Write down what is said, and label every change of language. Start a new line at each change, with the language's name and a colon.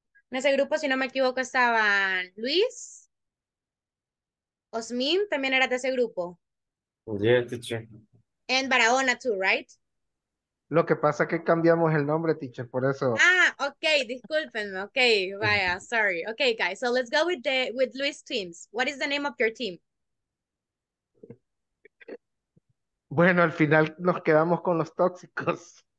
Spanish: En ese grupo, si no me equivoco, estaban Luis. Osmin, también eras de ese grupo.
English: Yeah, teacher. And Barahona too, right?
Spanish: Lo que pasa es que cambiamos el nombre, teacher, por eso. Ah, okay, discúlpenme. Okay, vaya,
English: sorry. Okay, guys, so let's go with Luis' teams. What is the name of your team?
Spanish: Bueno, al final nos quedamos con los tóxicos.